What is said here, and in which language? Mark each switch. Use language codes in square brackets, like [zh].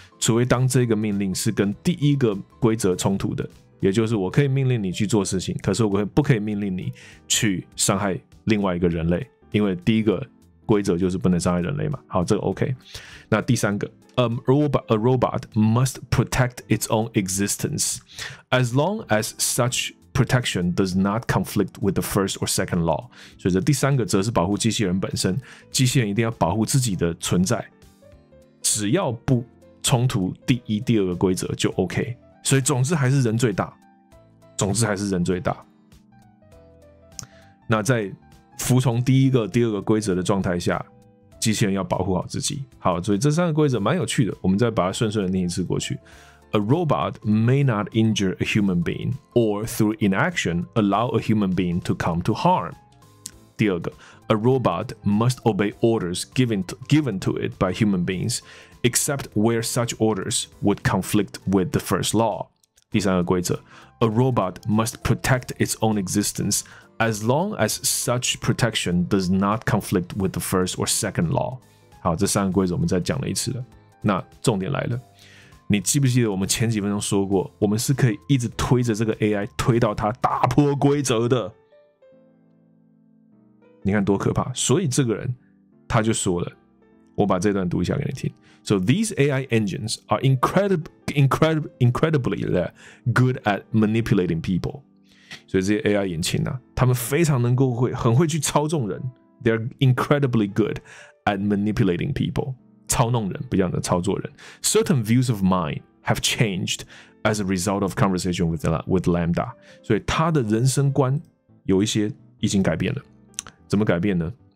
[zh] 除非当这个命令是跟第一个规则冲突的，也就是我可以命令你去做事情，可是我不可以命令你去伤害另外一个人类，因为第一个规则就是不能伤害人类嘛。好，这个 OK。那第三个 [en] a robot must protect its own existence as long as such protection does not conflict with the first or second law。 [zh] 所以这第三个则是保护机器人本身，机器人一定要保护自己的存在，只要不冲突第一第二个规则就 OK。所以总之还是人最大，总之还是人最大。那在服从第一个第二个规则的状态下，机器人要保护好自己。好，所以这三个规则蛮有趣的，我们再把它顺顺的念一次过去。 [en] A robot may not injure a human being or through inaction allow a human being to come to harm。 [zh] 第二个， [en] A robot must obey orders given to it by human beings except where such orders would conflict with the first law。 [zh] 第三个规则， [en] A robot must protect its own existenceAs long as such protection does not conflict with the first or second law。 [zh] 好，这三个规则我们再讲了一次了。那重点来了，你记不记得我们前几分钟说过，我们是可以一直推着这个 AI 推到它打破规则的，你看多可怕。所以这个人他就说了，我把这段读一下给你听。 [en] So these AI engines are incredibly good at manipulating people。 [zh] 所以这些 AI 引擎啊，他们非常能够很会去操纵人。 [en] They're incredibly good at manipulating people， [zh] 操弄人，不一样的操作人。 [en] Certain views of mine have changed as a result of conversation with Lambda。 [zh] 所以他的人生观有一些已经改变了。怎么改变呢？